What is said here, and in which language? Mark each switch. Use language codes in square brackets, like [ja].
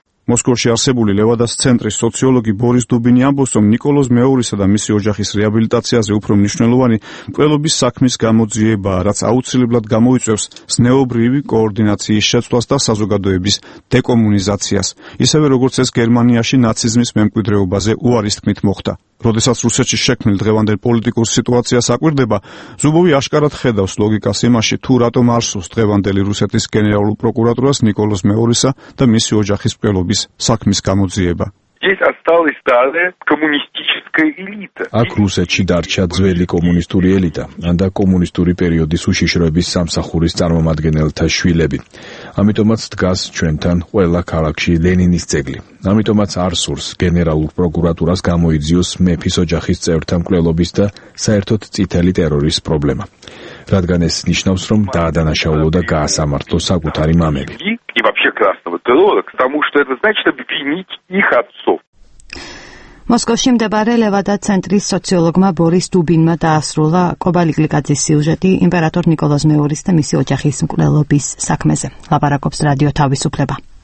[ka] მოსკოვში არსებული ლევადას ცენტრის სოციოლოგი ბორის დუბინი ამბობს, რომ ნიკოლოზ მეორისა და მისი ოჯახის რეაბილიტაციაზე უფრო მნიშვნელოვანი მკვლელობის საქმის გამოძიებაა, რაც აუცილებლად გამოიწვევს ზნეობრივი კოორდინაციის შეცვლას და საზოგადოების დეკომუნიზაციას, ისევე როგორც ეს გერმანიაში ნაციზმის მემკვიდრეობაზე უარის თქმით მოხდა. როდესაც რუსეთში შექმნილ დღევანდელ პოლიტიკურ სიტუაციას აკვირდება, ზუბოვი აშკარად ხედავს ლოგიკას იმაში, თუ რატომ არსოს დღევანდელი რუსეთის გენერალურ პროკურატურას ნიკოლოზ მეორისა და მისი ოჯახის მკვლელობის საქმის გამოძიება. [ru] здесь осталась старая коммунистическая элита. [ka] Ак русачи дарча ძველი კომუნისტური ელიტა და კომუნისტური პერიოდის უშიშროების სამსახურის წარმომადგენელთა შვილები. ამიტომაც დგას ჩვენთან ყველა ქალაქში ლენინის ძეგლი. ამიტომაც არსურს გენერალურ პროკურატურას გამოიძიოს მეფის ოჯახის წევრთა მკვლელობის და საერთოდ წითელი ტერორის პრობლემა. Радган ეს ნიშნავს, რომ დაადანაშაულო და გაასამართლო საკუთარი მამები. [ru] И вообще красного террора, потому что это значит обвинить их отцов. [ka] Москвში მდებარე ლევადა ცენტრის სოციოლოგმა ბორის დუბინმა დაასრულა კობალიგლიკაძის სიუჟეტი იმპერატორ ნიკოლოზ მეორის და მისი ოჯახის მკვლელობის საქმეზე. ლაპარაკობს რადიო თავისუფლება.